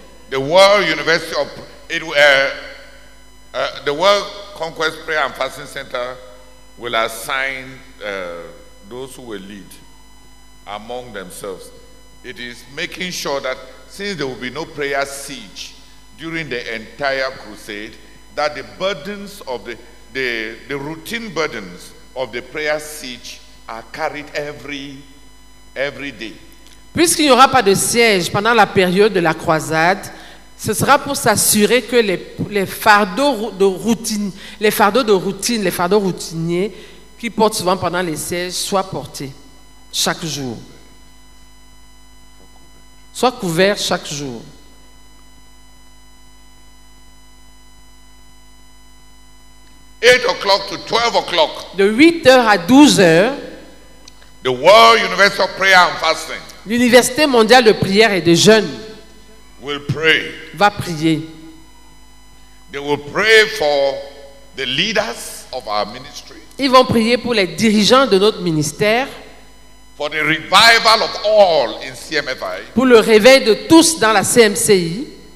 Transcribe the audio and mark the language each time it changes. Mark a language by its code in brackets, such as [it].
[en] The World University of it, the World Conquest Prayer and Fasting Center will assign those who will lead among themselves. It is making sure that since there will be no prayer siege during the entire crusade, that the burdens of the routine burdens of the prayer siege are carried every day. [fr] Puisqu'il n'y aura pas de siège pendant la période de la croisade, Ce sera pour s'assurer que les fardeaux routiniers qu'ils portent souvent pendant les sièges soient portés chaque jour. Soient couverts chaque jour. De 8h à 12h, [en] the World University of Prayer and Fasting, [fr] l'Université mondiale de prière et de jeûne [en] will pray. [fr] Va prier. [en] They will pray for the leaders of our ministry. [fr] Ils vont prier pour les dirigeants de notre ministère. [en] For the revival of all in CMFI. [fr] Pour le réveil de tous dans la CMCI.